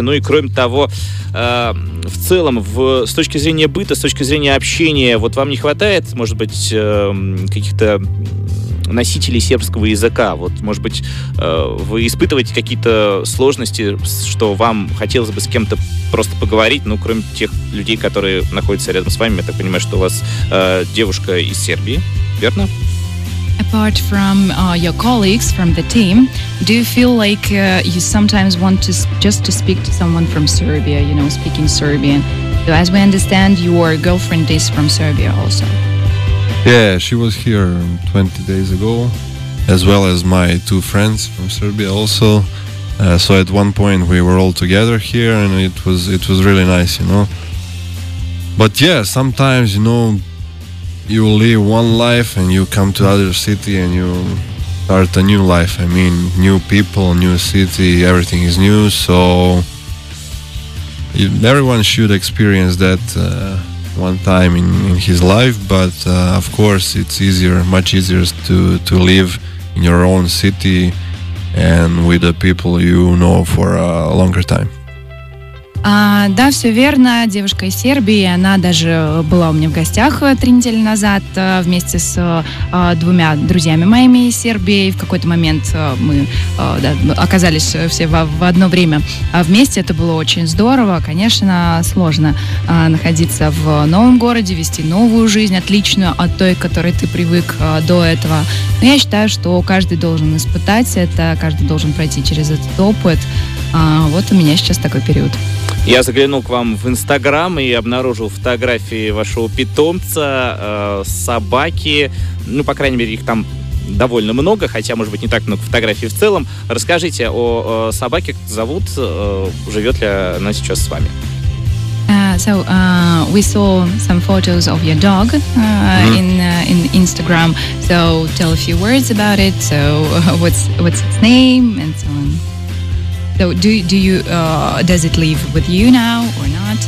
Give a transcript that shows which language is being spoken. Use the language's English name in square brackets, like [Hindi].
[Russian] Ну и кроме того, в целом, с точки зрения быта, с точки зрения общения, вот вам не хватает, может быть, каких-то носителей сербского языка? Вот, может быть, вы испытываете какие-то сложности, что вам хотелось бы с кем-то просто поговорить, ну, кроме тех людей, которые находятся рядом с вами? Я так понимаю, что у вас девушка из Сербии, верно? [English] Apart from your colleagues from the team, do you feel like you sometimes want to just to speak to someone from Serbia, you know, speaking Serbian? So as we understand, your girlfriend is from Serbia also. Yeah, she was here 20 days ago, as well as my two friends from Serbia also. So at one point we were all together here, and it was really nice, you know. But yeah, sometimes, you know, you live one life and you come to other city and you start a new life. I mean, new people, new city, everything is new. So everyone should experience that one time in his life. But of course, it's easier, much easier to live in your own city and with the people you know for a longer time. [Russian] Да, все верно. Девушка из Сербии, она даже была у меня в гостях 3 недели назад вместе с двумя друзьями моими из Сербии. И в какой-то момент мы оказались все в одно время вместе. Это было очень здорово. Конечно, сложно находиться в новом городе, вести новую жизнь, отличную от той, к которой ты привык до этого. Но я считаю, что каждый должен испытать это, каждый должен пройти через этот опыт. Вот у меня сейчас такой период. Я заглянул к вам в Инстаграм и обнаружил фотографии вашего питомца, собаки. Ну, по крайней мере, их там довольно много, хотя, может быть, не так много фотографий в целом. Расскажите о собаке, как зовут, живет ли она сейчас с вами? [English] So we saw some photos of your dog in Instagram. So tell a few words about it. So what's its name and so on. So does it live with you now or not?